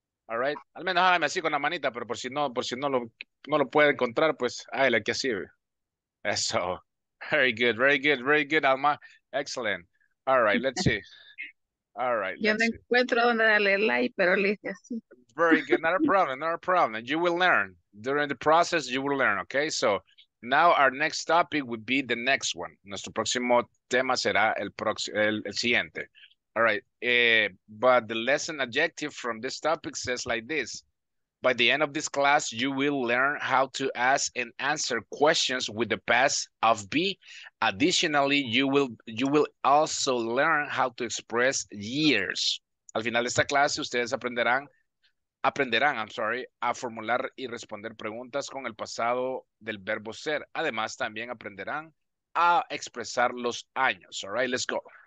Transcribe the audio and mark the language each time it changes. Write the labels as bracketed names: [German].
[English] All right, [Spanish] al menos hágame así con la manita, pero por si no lo puede encontrar, pues hágale aquí así. [English] Eso. Very good, very good, very good, Alma. Excellent. All right, let's see. All right. [Spanish] Yo no encuentro donde darle like, pero le hice así. [English] Very good, not a problem, not a problem. You will learn. During the process, you will learn, okay? So now our next topic would be the next one. [Spanish] Nuestro próximo tema será el siguiente. [English] All right, but the lesson objective from this topic says like this. By the end of this class, you will learn how to ask and answer questions with the past of be. Additionally, you will also learn how to express years. [Spanish] Al final de esta clase, ustedes aprenderán a formular y responder preguntas con el pasado del verbo ser. Además, también aprenderán a expresar los años. [English] All right, let's go.